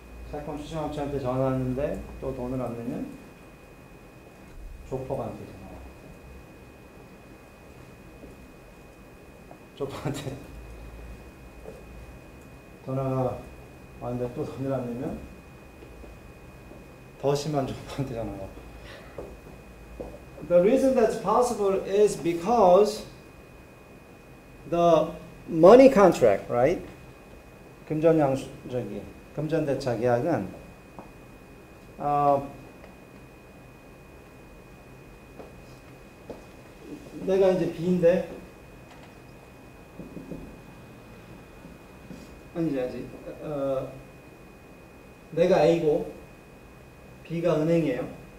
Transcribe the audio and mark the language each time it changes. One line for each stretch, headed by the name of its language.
Korean: 채권 추심업체한테 전화했는데 또 돈을 안 내면 조폭한테 전화. 조폭한테 전화가 왔는데 또 돈을 안 내면 더 심한 조폭한테 전화가.
English: The reason that's possible is because the money contract, right?
Korean: 금전대차계약은 내가 이제 B인데 아니지 내가 A고 B가 은행이에요.